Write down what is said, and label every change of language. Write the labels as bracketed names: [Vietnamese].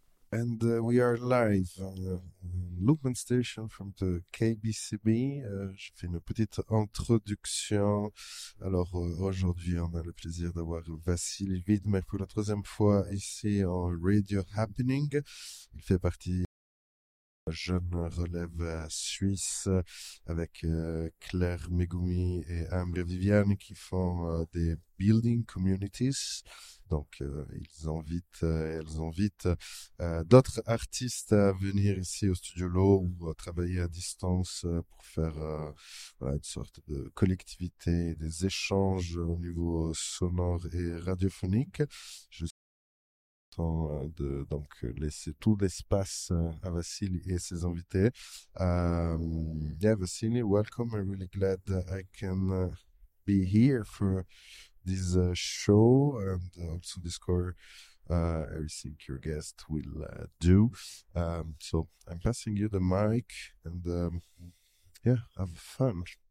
[English] And we are live on Lumen Station from the KBCB. [French] Je fais une petite introduction. Alors aujourd'hui, on a le plaisir d'avoir Vassili Vidmer pour la troisième fois ici en Radio Happening. Il fait partie de la jeune relève suisse avec Claire Megumi et Ambre Viviane qui font des Building Communities. Donc, ils invitent d'autres artistes à venir ici au Studio Lo ou à travailler à distance pour faire voilà, une sorte de collectivité, des échanges au niveau sonore et radiophonique. Je suis content de donc laisser tout l'espace à Vassili et ses invités. [English] Vassili, welcome. I'm really glad that I can be here for this show and also this score, everything your guest will do. So I'm passing you the mic and yeah, have fun.